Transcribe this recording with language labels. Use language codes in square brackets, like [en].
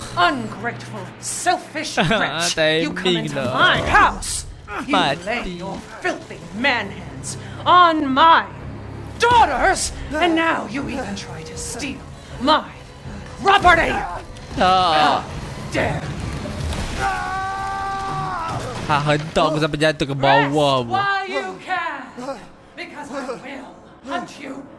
[en] You ungrateful, selfish wretch. You come into my house. You lay your filthy man hands on my daughters. And now you even try to steal my property. How dare you. [id] Ah, hentok aku sampai jatuh ke bawah. [en] Why you can't. Because I will hunt you